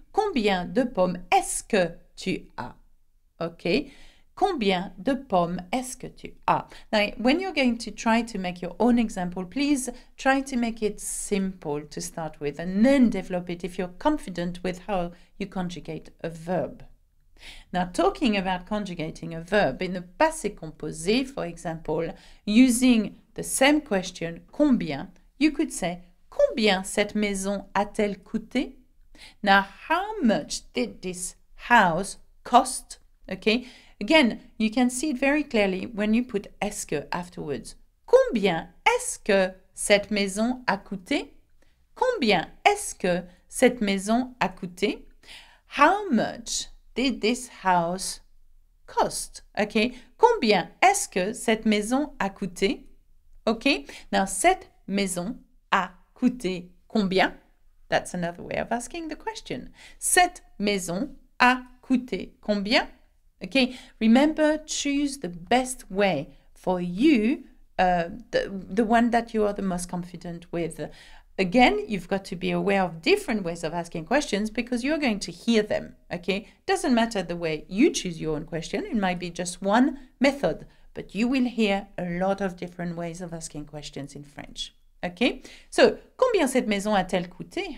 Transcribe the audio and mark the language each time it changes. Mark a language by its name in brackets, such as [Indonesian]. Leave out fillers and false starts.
[French] Combien de pommes est-ce que tu as? Okay, combien de pommes est-ce que tu as? [English] Now, when you're going to try to make your own example, please try to make it simple to start with and then develop it if you're confident with how you conjugate a verb. Now, talking about conjugating a verb, in the passé composé, for example, using the same question, combien, you could say, [French] combien cette maison a-t-elle coûté? [English] Now, how much did this house cost? Okay, again, you can see it very clearly when you put [French] est-ce que [English] afterwards. [French] Combien est-ce que cette maison a coûté? Combien est-ce que cette maison a coûté? [English] How much did this house cost? Okay, [French] combien est-ce que cette maison a coûté? [English] Okay, now [French] cette maison a coûté combien? [English] That's another way of asking the question. [French] Cette maison a coûté combien? [English] Okay, remember, choose the best way for you, the one that you are the most confident with. Again, you've got to be aware of different ways of asking questions because you're going to hear them, okay? Doesn't matter the way you choose your own question, it might be just one method, but you will hear a lot of different ways of asking questions in French, okay? [French] So, combien cette maison a-t-elle coûté?